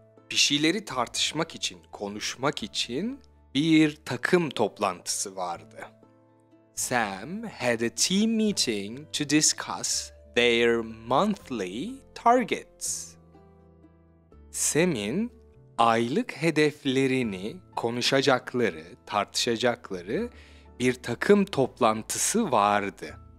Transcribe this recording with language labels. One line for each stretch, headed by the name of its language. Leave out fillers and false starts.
Turkish: Bir şeyleri tartışmak için, konuşmak için bir takım toplantısı vardı.
English: Sam had a team meeting to discuss their monthly targets.
Turkish: Sam'in aylık hedeflerini konuşacakları, tartışacakları bir takım toplantısı vardı.